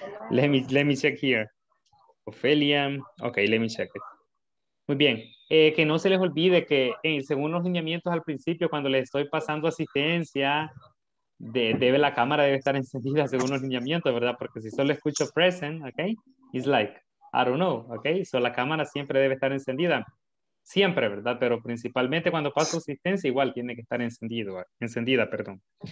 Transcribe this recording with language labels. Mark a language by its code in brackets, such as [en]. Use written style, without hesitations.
[en] let me check here. Ofelia. Ok, let me check it. [es] Muy bien. Que no se les olvide que según los lineamientos al principio, cuando les estoy pasando asistencia, debe la cámara debe estar encendida según los lineamientos, ¿verdad? Porque si solo escucho present, ok, [en] it's like, I don't know, [es] ok. So la cámara siempre debe estar encendida. Siempre, ¿verdad? Pero principalmente cuando paso asistencia, igual tiene que estar encendida, perdón.